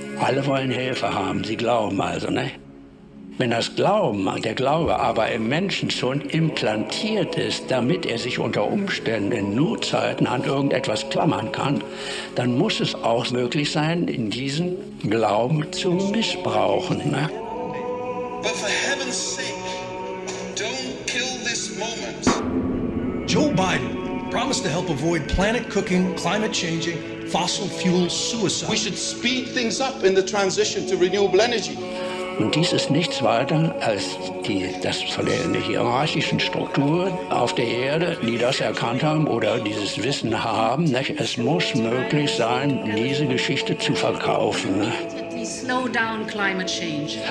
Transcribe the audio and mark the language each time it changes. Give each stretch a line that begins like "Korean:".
German: Alle wollen Hilfe haben, sie glauben also. Ne? Wenn das Glauben, der Glaube aber im Menschen schon implantiert ist, damit er sich unter Umständen in Notzeiten an irgendetwas klammern kann, dann muss es auch möglich sein, in diesen Glauben zu missbrauchen. Ne?
English: But for heaven's sake, don't kill this moment. Joe Biden promised to help avoid planet cooking, climate changing, fossil fuel suicide. We should speed things up in the transition to renewable energy.
German: Und dies ist nichts weiter als das von der hierarchischen Struktur auf der Erde, die das erkannt haben oder dieses Wissen haben. Ne? Es muss möglich sein, diese Geschichte zu verkaufen. Ne?
English: Slow down climate change.